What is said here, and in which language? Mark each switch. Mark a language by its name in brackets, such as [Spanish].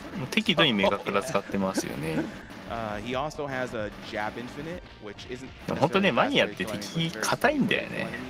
[Japanese] 適度にメガクラ使ってますよね。 [English] He also has a jab infinite, which isn't. [Japanese] 本当ね、マニアって敵硬いんだよね。